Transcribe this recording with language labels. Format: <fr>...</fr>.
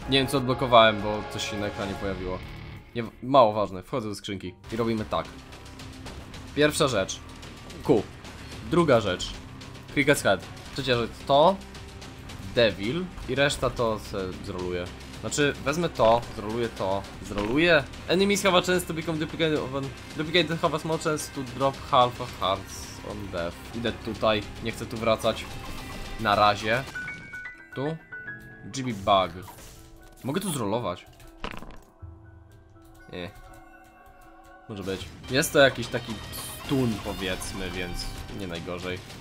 <pl>Nie wiem, co odblokowałem, bo coś się na ekranie pojawiło. Nie, mało ważne, wchodzę do skrzynki i robimy tak. Pierwsza rzecz. Ku. Druga rzecz. Cricket's Head. Trzecia rzecz to. Devil. I reszta to zroluje. Znaczy, wezmę to, zroluję to, zroluję.</pl> <en>Enemies have a chance to become duplicated when duplicated have a small chance to drop half a hearts on death.</en> <pl>Idę tutaj, nie chcę tu wracać. Na razie. Tu. Jimmy Bug. Mogę tu zrolować. Nie. Może być. Jest to jakiś taki stun, powiedzmy, więc nie najgorzej.</pl>